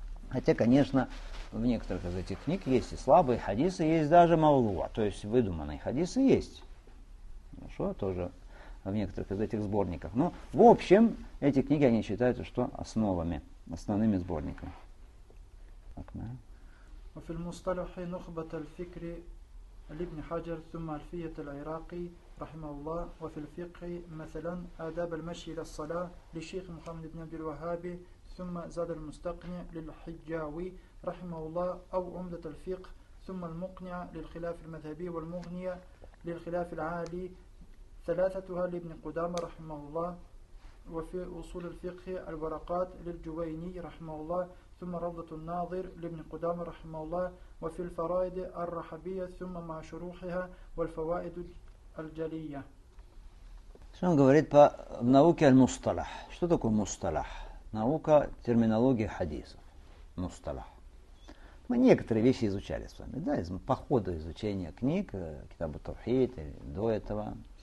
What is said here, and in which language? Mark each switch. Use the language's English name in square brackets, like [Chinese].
[Russian] Хотя, конечно, в некоторых из этих книг есть и слабые хадисы, есть даже мавдуа, то есть выдуманные хадисы есть. Хорошо, тоже в некоторых из этих сборников. Но, в общем, эти книги они считаются, что основами, основными сборниками. Так, да. [Arabic] وفي المصطلح نخبة الفكر لابن حجر ثم ألفية العراقي رحمه الله وفي الفقه مثلا آداب المشي إلى الصلاة لشيخ محمد بن عبد الوهاب ثم زاد المستقنع للحجاوي رحمه الله أو عمدة الفقه ثم المقنع للخلاف المذهبي والمغنية للخلاف العالي ثلاثتها لابن قدامة رحمه الله وفي أصول الفقه الورقات للجويني رحمه الله ثم روضة الناظر لابن قدامة رحمه الله وفي الفرائد الرحبية ثم مع شروحها والفوائد الجلية. [Russian] Что он говорит по науке аль-мусталах? Что такое мусталах? Наука терминологии хадисов. Мусталах. Мы некоторые вещи изучали с вами, да, по ходу изучения книг, китабу тавхид, до этого.